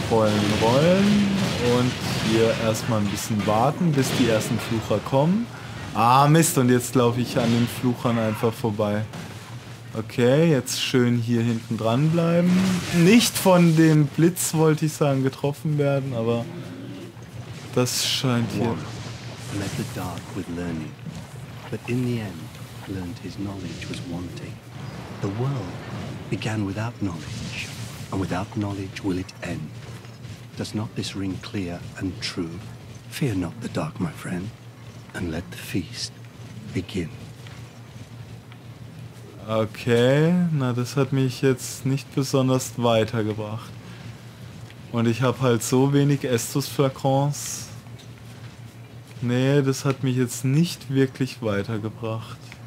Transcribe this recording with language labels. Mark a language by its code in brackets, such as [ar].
[de] Und hier erstmal ein bisschen warten, bis die ersten Flucher kommen. Ah, Mist. Und jetzt laufe ich an den Fluchern einfach vorbei. Okay, jetzt schön hier hinten dran bleiben. Nicht von dem Blitz, wollte ich sagen, getroffen werden, aber das scheint hier. [en] Let the dark with learning. But in the end. Learned his knowledge was wanting. The world began without knowledge, and without knowledge will it end. Does not this ring clear and true? Fear not the dark, my friend, and let the feast begin. [de] Okay, na, das hat mich jetzt nicht besonders weitergebracht. Und ich habe halt so wenig Estus-Flakons. Nee, das hat mich jetzt nicht wirklich weitergebracht.